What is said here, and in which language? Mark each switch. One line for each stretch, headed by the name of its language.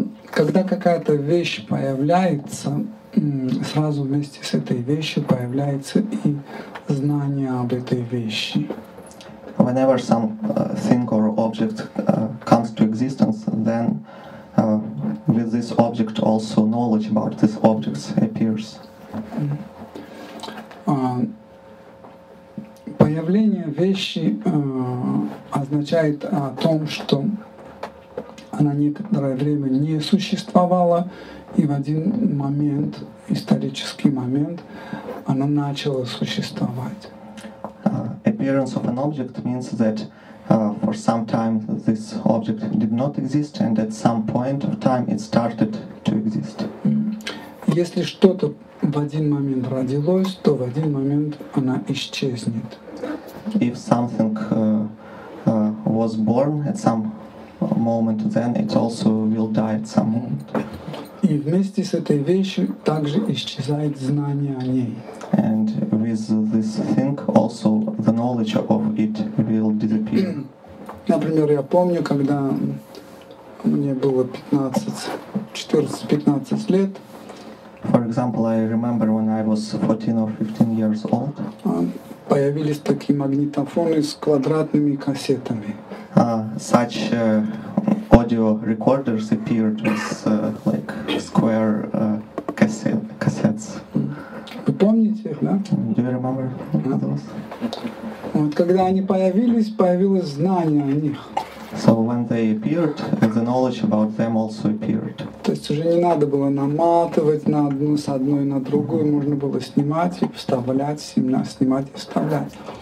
Russian: Когда какая-то вещь появляется, сразу вместе с этой вещью появляется и знание об этой вещи.
English: Whenever some thing or object comes to existence, then with this object also knowledge about this object appears.
Russian: Появление вещи означает о том, что она некоторое время не существовала, и в один момент, исторический момент, она начала существовать.
English: Appearance of an object means that for some time this object did not exist, and at some point of time it started to exist.
Russian: Если что-то в один момент родилось, то в один момент она исчезнет.
English: If something was born at some moment, then it also will die at some moment.
Russian: И вместе с этой вещью также исчезает знание о ней.
English: And with this thing also the knowledge of it will disappear.
Russian: Например, я помню, когда мне было 14-15 лет.
English: For example, I remember when I was 14 or 15 years old.
Russian: Появились такие магнитофоны с квадратными кассетами.
English: Such audio recorders appeared with like square cassettes.
Russian: Вы помните их, да?
English: Do you remember those?
Russian: Вот когда они появились, появилось знание о них.
English: So when they appeared, the knowledge about them also appeared.
Russian: То есть уже не надо было наматывать на одну, с одной на другую, mm-hmm. можно было снимать и вставлять, снимать и вставлять.